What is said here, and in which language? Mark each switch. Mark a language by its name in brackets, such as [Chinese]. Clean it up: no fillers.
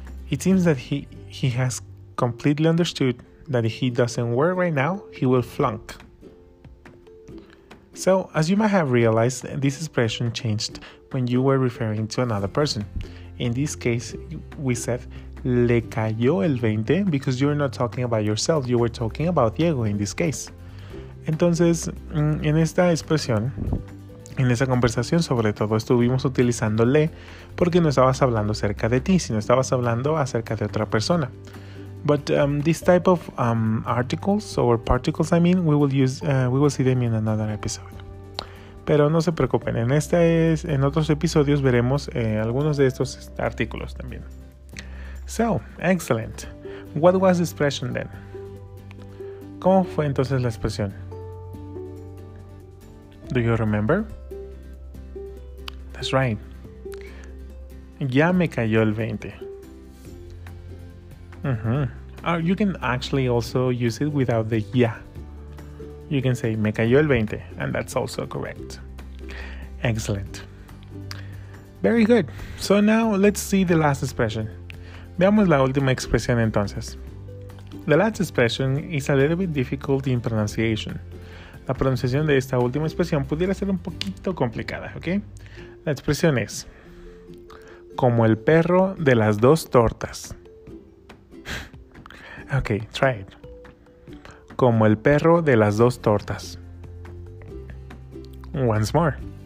[English] It seems that he has completely understood that if he doesn't work right now, he will flunk. So, as you might have realized, this expression changed when you were referring to another person. In this case, we said, [Spanish] le cayó el 20, [English] because you're not talking about yourself, you were talking about Diego in this case. [Spanish] Entonces, en esta expresión, en esa conversación, sobre todo, estuvimos utilizando le, porque no estabas hablando acerca de ti, sino estabas hablando acerca de otra persona. [English] But this type of articles or particles, I mean, we will see them in another episode. [Spanish] Pero no se preocupen, en otros episodios veremos algunos de estos artículos también. [English] So, excellent. What was the expression then? [Spanish] ¿Cómo fue entonces la expresión? [English] Do you remember? That's right. [Spanish] Ya me cayó el 20. [English] You can actually also use it without the ya. You can say, [Spanish] me cayó el 20, [English] and that's also correct. Excellent. Very good. So now let's see the last expression. [Spanish] Veamos la última expresión entonces. [English] The last expression is a little bit difficult in pronunciation. [Spanish] La pronunciación de esta última expresión pudiera ser un poquito complicada, ¿ok? La expresión es, como el perro de las dos tortas. [English] Okay, try it. [Spanish] Como el perro de las dos tortas. [English] Once more.